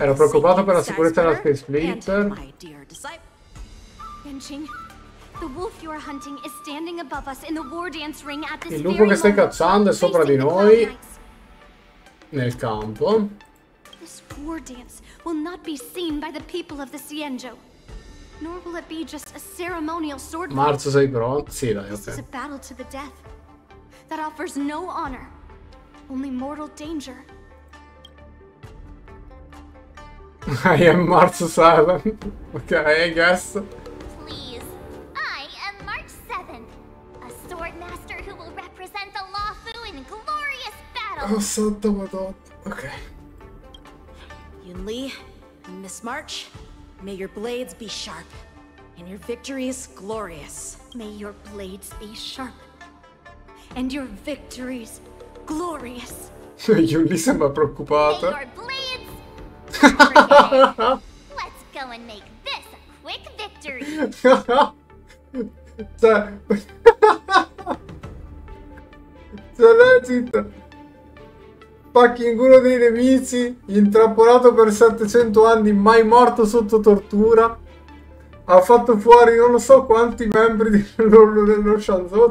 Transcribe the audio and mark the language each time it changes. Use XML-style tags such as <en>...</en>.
<it>ero preoccupato per la sicurezza della Space Splinter.</it> <en>Yenching, the wolf you are hunting is standing above us in the war dance ring at this</en> <it>il lupo che stai cacciando è sopra di noi nel campo.</it> <en>This war dance will not be seen by the people of the Sienjo. Nor will it be just a ceremonial sword.</en> <it>Marzo sei pronto? Sì, dai, ok.</it> <en>This is a battle to the death that offers no honor, only mortal danger. I am March 7. Okay, I guess. Please, I am March 7th, a sword master who will represent the Law Fu in glorious battle.</en> <it>Oh, santa madonna. Okay.</it> <en>Yun Li, Miss March, may your blades be sharp, and your victories glorious. May your blades be sharp, and your victories glorious.</en> <it>Yun Li sembra preoccupata.</it> <en>Let's go and make this a quick victory.</en> <it>Cioè, legge pacchinguro dei nemici, intrappolato per 700 anni, mai morto sotto tortura, ha fatto fuori non lo so quanti membri dello Shanzo.</it>